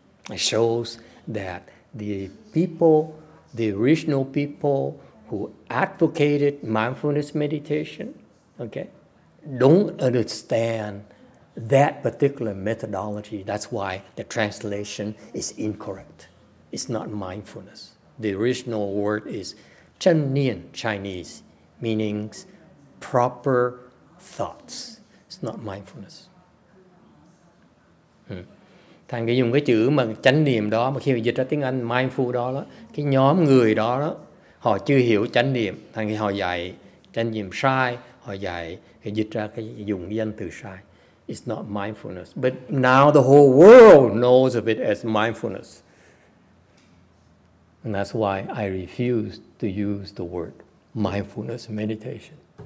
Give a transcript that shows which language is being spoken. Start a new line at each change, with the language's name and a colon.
English: It shows that the people, the original people who advocated mindfulness meditation, okay, don't understand that particular methodology. That's why the translation is incorrect. It's not mindfulness. The original word is chan nian, Chinese, meaning proper thoughts. It's not mindfulness.
Vietnamese: Thành cái dùng cái chữ mà chánh niệm đó mà khi mà dịch ra tiếng Anh mindful đó cái nhóm người đó họ chưa hiểu chánh niệm, thành cái họ dạy chánh niệm sai, họ dạy cái dịch ra cái dùng cái danh từ sai.
English: It's not mindfulness, but now the whole world knows of it as mindfulness, and that's why I refuse to use the word mindfulness meditation.